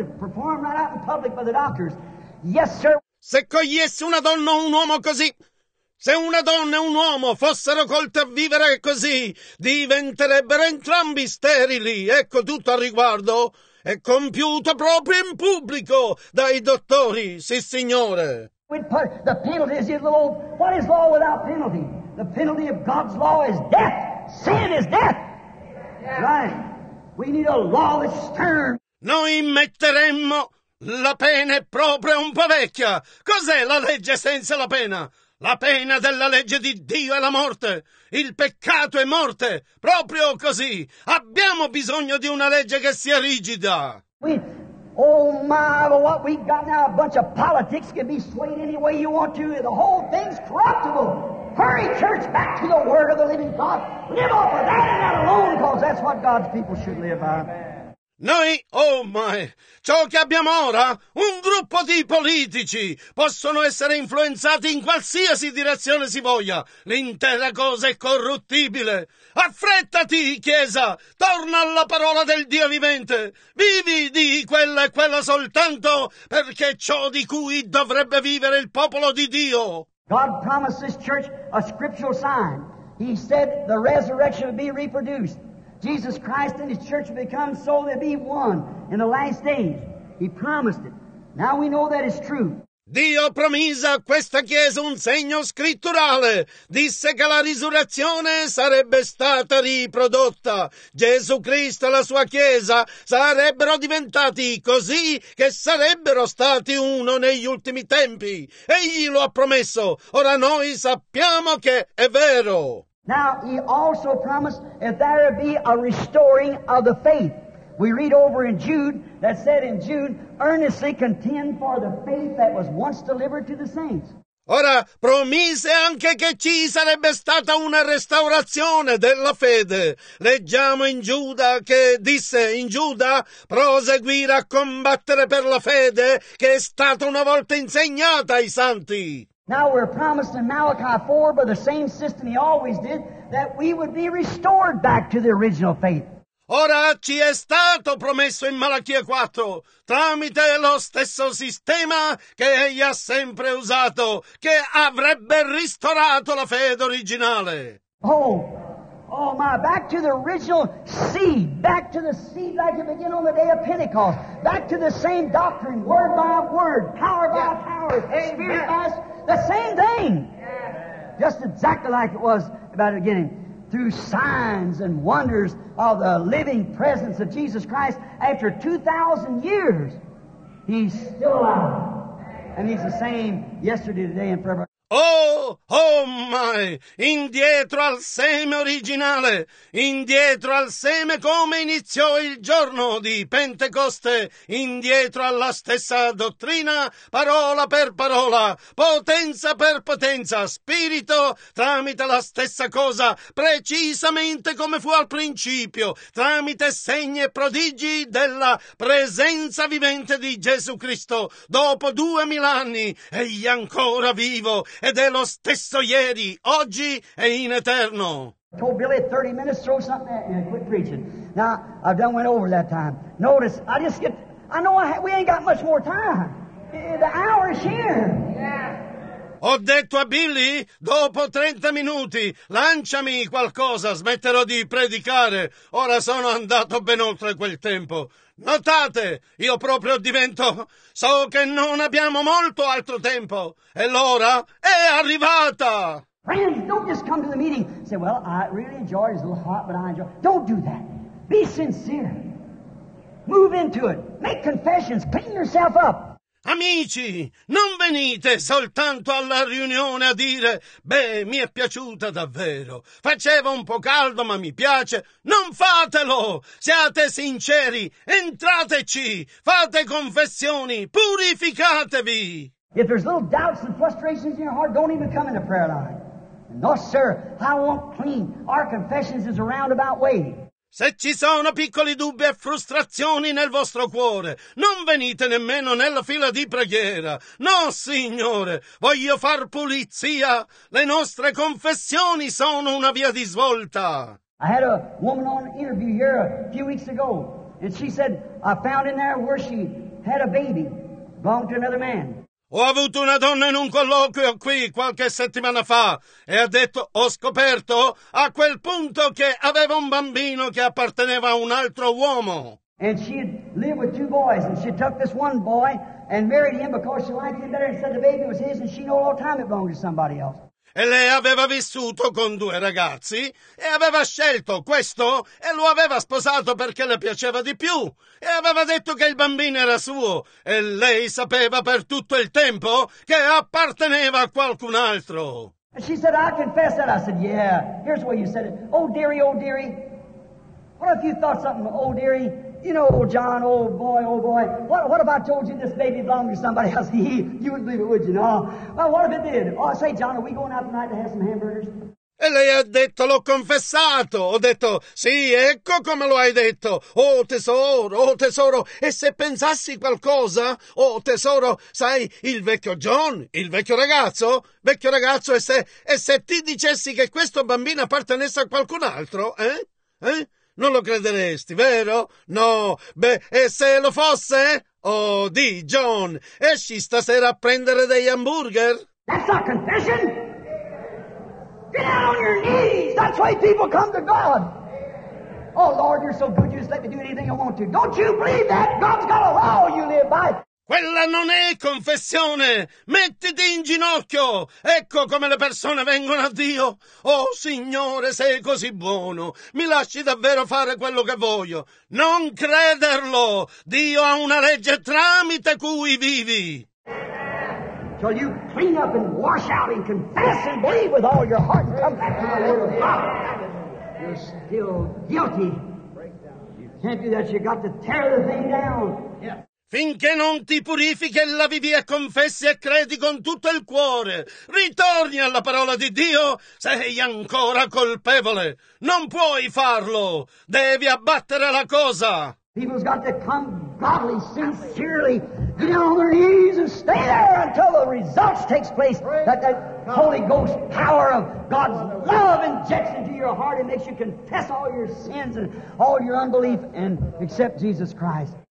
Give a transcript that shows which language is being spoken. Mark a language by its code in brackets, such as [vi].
[en] It's performed right out in public by the doctors. Yes, sir. [it] Se cogliessi una donna o un uomo così, se una donna e un uomo fossero colti a vivere così, diventerebbero entrambi sterili. Ecco tutto al riguardo. È compiuto proprio in pubblico dai dottori, sì signore. [en] The penalty is the law. What is law without penalty? The penalty of God's law is death. Sin is death. Right. We need a lawless stern. [it] Noi metteremmo... La pena è proprio un po' vecchia. Cos'è la legge senza la pena? La pena della legge di Dio è la morte. Il peccato è morte. Proprio così. Abbiamo bisogno di una legge che sia rigida. [en] What we got now, a bunch of politics can be swayed any way you want to. The whole thing's corruptible. Hurry, church, back to the word of the living God. Live off of that and that alone, because that's what God's people should live by. [it] Noi, [en] oh my, [it] ciò che abbiamo ora, un gruppo di politici, possono essere influenzati in qualsiasi direzione si voglia. L'intera cosa è corruttibile. Affrettati, Chiesa, torna alla parola del Dio vivente. Vivi di quella e quella soltanto, perché è ciò di cui dovrebbe vivere il popolo di Dio. [en] God promised this church a scriptural sign. He said the resurrection would be reproduced. Jesus Christ and his church will become so they'll be one in the last days. He promised it. Now we know that is true. [it] Dio promise a questa chiesa un segno scritturale. Disse che la risurrezione sarebbe stata riprodotta. Gesù Cristo e la sua chiesa sarebbero diventati così che sarebbero stati uno negli ultimi tempi. Egli lo ha promesso. Ora noi sappiamo che è vero. [en] Now, he also promised that there would be a restoring of the faith. We read over in Jude, that said in Jude, earnestly contend for the faith that was once delivered to the saints. [it] Ora, promise anche che ci sarebbe stata una restaurazione della fede. Leggiamo in Giuda che disse, in Giuda, proseguire a combattere per la fede che è stata una volta insegnata ai santi. [en] Now we're promised in Malachi 4 by the same system he always did that we would be restored back to the original faith. [it] Ora ci è stato promesso in Malachia 4 tramite lo stesso sistema che egli ha sempre usato che avrebbe ristorato la fede originale. [en] Oh my, back to the original seed, back to the seed like it began on the day of Pentecost, back to the same doctrine, word by word, power by power, spirit by spirit. The same thing, just exactly like it was about the beginning, through signs and wonders of the living presence of Jesus Christ. After 2,000 years, he's still alive, and he's the same yesterday, today, and forever. Oh, oh my! [it] Indietro al seme originale, indietro al seme come iniziò il giorno di Pentecoste, indietro alla stessa dottrina, parola per parola, potenza per potenza, spirito tramite la stessa cosa, precisamente come fu al principio, tramite segni e prodigi della presenza vivente di Gesù Cristo, dopo 2000 anni, egli è ancora vivo, ed è lo stesso ieri, oggi e in eterno. [en] I told Billy 30 minutes, throw something at me and quit preaching. Now, I've done went over that time. Notice, I just get, I know I, we ain't got much more time. The hour is here. [it] Ho detto a Billy, dopo 30 minuti, lanciami qualcosa, smetterò di predicare. Ora sono andato ben oltre quel tempo. Notate, io proprio divento... So che non abbiamo molto altro tempo. E l'ora è arrivata! [en] Friends, don't just come to the meeting. Say, well, I really enjoy it. It's a little hot, but I enjoy it. Don't do that. Be sincere. Move into it. Make confessions. Clean yourself up. [it] Amici, non venite soltanto alla riunione a dire, beh, mi è piaciuta davvero, faceva un po' caldo ma mi piace, non fatelo, siate sinceri, entrateci, fate confessioni, purificatevi. [en] If there's little doubts and frustrations in your heart, don't even come in the prayer line. No, sir, I want clean, our confessions is a roundabout way. [it] Se ci sono piccoli dubbi e frustrazioni nel vostro cuore, non venite nemmeno nella fila di preghiera. No, Signore, voglio far pulizia. Le nostre confessioni sono una via di svolta. [en] I had a woman on interview here a few weeks ago, and she said, I found in there where she had a baby, belonged to another man. [it] Ho avuto una donna in un colloquio qui qualche settimana fa e ha detto, ho scoperto a quel punto che aveva un bambino che apparteneva a un altro uomo. [en] And she had lived with two boys and she took this one boy and married him because she liked him better and said the baby was his and she knew all the time it belonged to somebody else. [it] E lei aveva vissuto con due ragazzi e aveva scelto questo e lo aveva sposato perché le piaceva di più e aveva detto che il bambino era suo e lei sapeva per tutto il tempo che apparteneva a qualcun altro. [en] And she said, I confess that. I said, yeah, here's the way you said it. Oh, dearie, what if you thought something, oh, dearie, you know, old John, old boy, what if I told you this baby belonged to somebody else? You wouldn't believe it, would you? No. Well, what if it did? Oh, say, John, are we going out tonight to have some hamburgers? [it] E lei ha detto, l'ho confessato, ho detto, sì, ecco come lo hai detto, oh tesoro, e se pensassi qualcosa, oh tesoro, sai, il vecchio John, il vecchio ragazzo, e se ti dicessi che questo bambino appartenesse a qualcun altro, non lo crederesti, vero? No, beh, e se lo fosse? Oh, di John, esci stasera a prendere degli hamburger? [en] That's not confession! Get down on your knees. That's why people come to God. Oh, Lord, you're so good. You just let me do anything I want to. Don't you believe that? God's got a law you live by. [it] Quella non è confessione. Mettiti in ginocchio. Ecco come le persone vengono a Dio. Oh, Signore, sei così buono. Mi lasci davvero fare quello che voglio. Non crederlo. Dio ha una legge tramite cui vivi. [en] So you clean up and wash out and confess and believe with all your heart and come back to the Word of God. You're still guilty. You can't do that. You've got to tear the thing down. Yeah. [it] Finché non ti purifichi e la vivi e confessi e credi con tutto il cuore, ritorni alla parola di Dio, sei ancora colpevole. Non puoi farlo. Devi abbattere la cosa. [en] People's got to come godly, sincerely, get on their knees and stay there until the results takes place. That Holy Ghost power of God's love injects into your heart and makes you confess all your sins and all your unbelief and accept Jesus Christ.